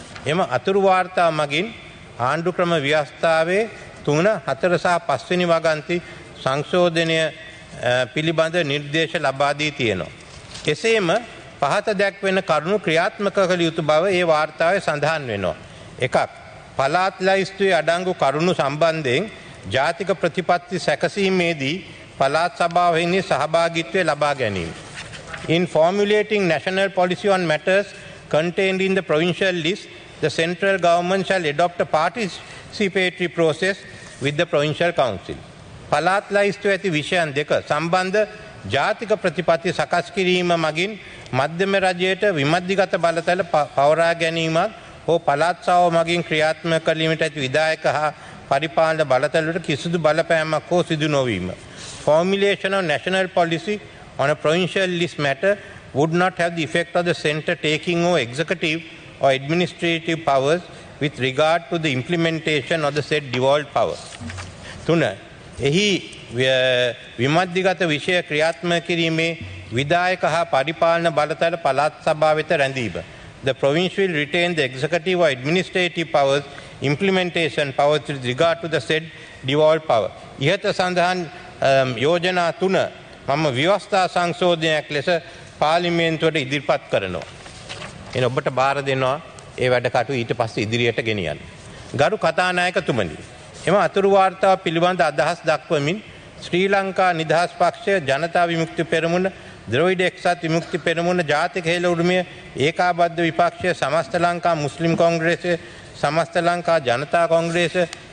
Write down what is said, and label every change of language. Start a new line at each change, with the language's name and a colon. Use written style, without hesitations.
Sinhala: එම අතුරු වාර්තාව මගින් ආණ්ඩුක්‍රම ව්‍යවස්ථාවේ 3-4 සහ 5 වෙනි වගන්ති සංශෝධනය පිළිබඳ නිර්දේශ ලබා දී තියෙනවා. එසේම පහත දැක්වෙන කරුණු ක්‍රියාත්මක කළ යුතු බව ඒ වාර්තාවේ සඳහන් වෙනවා. එකක්, පළාත් ලැයිස්තුවේ අඩංගු කරුණු සම්බන්ධයෙන් ජාතික ප්‍රතිපත්ති සැකසීමේදී පළාත් සභාවෙහි සහභාගිත්වය ලබා ගැනීම.
English: In formulating national policy on matters contained in the provincial list, the central government shall adopt a participatory process with the provincial council.
Sinhala: පළාත් ලැයිස්තුවේ ඇති විෂයන් දෙක සම්බන්ධ ජාතික ප්‍රතිපත්ති සකස් කිරීම මගින් මධ්‍යම රජයට විමධ්‍යගත බලතල පවරා ගැනීමක් හෝ පළාත් සභාව මගින් ක්‍රියාත්මක කිරීමට ඇති විධායක හා පරිපාලන බලතලවලට කිසිදු බලපෑමක් හෝ සිදු නොවීම.
English: Formulation of national policy on a provincial list matter would not have the effect of the centre taking over executive or administrative powers with regard to the implementation of the said devolved power.
Sinhala: 3. එහි විමධ්‍යගත විෂය ක්‍රියාත්මක කිරීමේ විධායක හා පරිපාලන බලතල පළාත් සභාව වෙත රැඳීම.
English: The province will retain the executive or administrative powers, implementation powers with regard to the said devolved power.
Sinhala: ඉහත සඳහන් යෝජනා 3 මම ව්‍යවස්ථා සංශෝධනයක් ලෙස පාර්ලිමේන්තුවට ඉදිරිපත් කරනවා. එන ඔබට බාර දෙනවා ඒ වැඩකටු ඊට පස්සේ ඉදිරියට ගෙනියන්න. ගරු කතානායකතුමනි, එම අතුරු වාර්තාව පිළිබඳ අදහස් දක්වමින් ශ්‍රී ලංකා නිදහස් පක්ෂය, ජනතා විමුක්ති පෙරමුණ, ද්‍රවිඩ එක්සත් විමුක්ති පෙරමුණ, ජාතික හේල උරුමය, ඒකාබද්ධ විපක්ෂය, සමස්ත ලංකා මුස්ලිම් කොංග්‍රේසය, සමස්ත ලංකා ජනතා කොංග්‍රේසය,